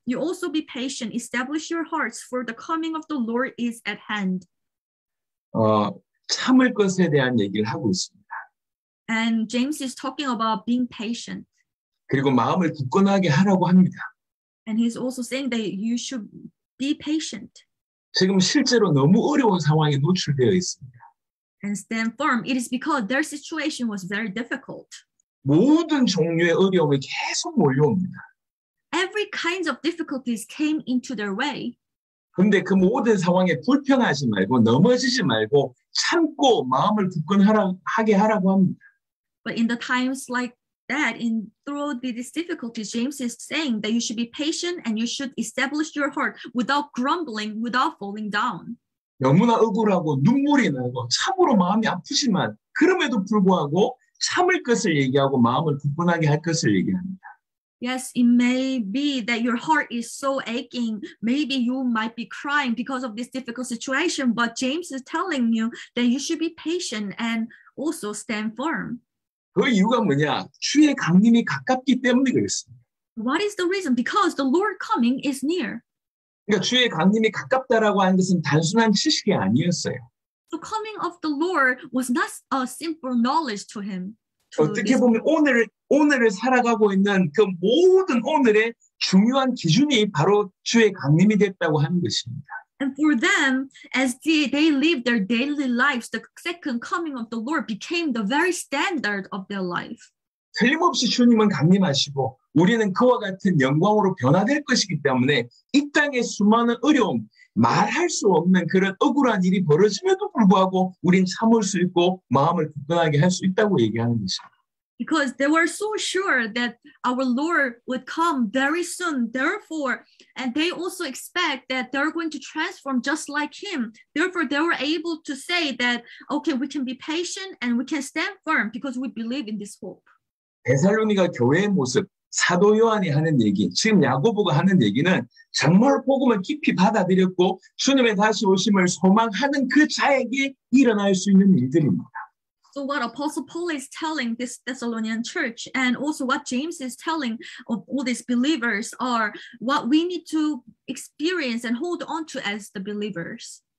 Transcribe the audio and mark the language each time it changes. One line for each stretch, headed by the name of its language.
English: You also be patient, establish your hearts, for the coming of the Lord is at hand.
Korean: 참을 것에 대한 얘기를 하고 있습니다.
English: And James is talking about being patient.
Korean: 그리고 마음을 굳건하게 하라고 합니다.
English: And he's also saying that you should be patient.
Korean: 지금 실제로 너무 어려운 상황에 노출되어 있습니다.
English: And stand firm. It is because their situation was very difficult.
Korean: 모든 종류의 어려움이 계속 몰려옵니다.
English: Every kind of difficulties came into their way.
Korean: 근데 그 모든 상황에 불평하지 말고 넘어지지 말고 참고 마음을 굳건하게 하라고 합니다.
English: But in the times like that, in through these difficulties, James is saying that you should be patient and you should establish your heart without grumbling, without falling down.
Korean: 너무나 억울하고 눈물이 나고 참으로 마음이 아프지만 그럼에도 불구하고 참을 것을 얘기하고 마음을 굳건하게 할 것을 얘기합니다.
English: Yes, it may be that your heart is so aching. Maybe you might be crying because of this difficult situation, but James is telling you that you should be patient and also stand firm.
Korean: 그 이유가 뭐냐? 주의 강림이 가깝기 때문에 그랬습니다.
English: What is the reason? Because the Lord coming is near.
Korean: 그러니까 주의 강림이 가깝다라고 하는 것은 단순한 지식이 아니었어요.
English: The coming of the Lord was not a simple knowledge to him.
Korean: 어떻게 보면 오늘을 살아가고 있는 그 모든 오늘의 중요한 기준이 바로 주의 강림이 됐다고 하는 것입니다.
English: And for them, as they live their daily lives, the second coming of the Lord became the very standard of their life.
Korean: 틀림없이 주님은 강림하시고 우리는 그와 같은 영광으로 변화될 것이기 때문에 이 땅의 수많은 어려움, 말할 수 없는 그런 억울한 일이 벌어짐에도 불구하고 우린 참을 수 있고 마음을 굳건하게 할 수 있다고 얘기하는 것입니다.
English: Because they were so sure that our Lord would come very soon. Therefore, and they also expect that they're going to transform just like him. Therefore, they were able to say that, okay, we can be patient and we can stand firm because we believe in this hope.
Korean: 데살로니가 교회의 모습, 사도 요한이 하는 얘기, 지금 야고보가 하는 얘기는 정말 복음을 깊이 받아들였고 주님의 다시 오심을 소망하는 그 자에게 일어날 수 있는 일들입니다.
English: So what Apostle Paul is telling this Thessalonian church and also what James is telling of all these believers are what we need to experience and hold on to as the believers.